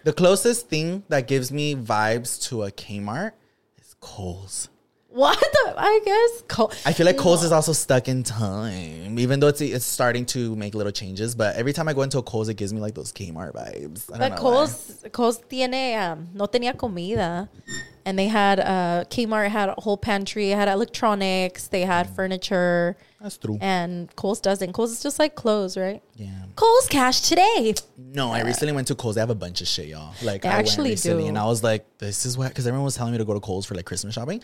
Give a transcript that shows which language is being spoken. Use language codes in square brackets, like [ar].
[en] The closest thing that gives me vibes to a Kmart is Kohl's. What? I guess Kohl's. I feel like Kohl's is also stuck in time, even though it's starting to make little changes. But every time I go into a Kohl's, it gives me like those Kmart vibes. [es] Kohl's tiene, no tenía comida. [en] And they had, Kmart had a whole pantry, had electronics, they had furniture. That's true. And Kohl's doesn't. Kohl's is just like clothes, right? Yeah. Kohl's cash today. No, I recently went to Kohl's. They have a bunch of shit, y'all. Like, they I actually went recently do. And I was like, this is what, because everyone was telling me to go to Kohl's for like Christmas shopping.